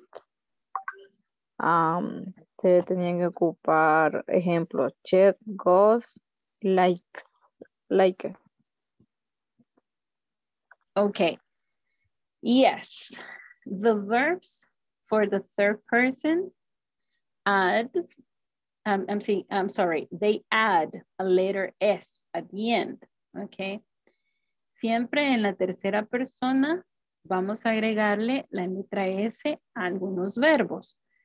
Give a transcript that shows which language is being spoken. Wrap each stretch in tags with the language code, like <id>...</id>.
<es>Se tenían que ocupar ejemplos, check, goes, likes.</es> <en>Okay. Yes. The verbs for the third person adds, they add a letter S at the end. Okay.</en> <es>Siempre en la tercera persona vamos a agregarle la letra S a algunos verbos.</es>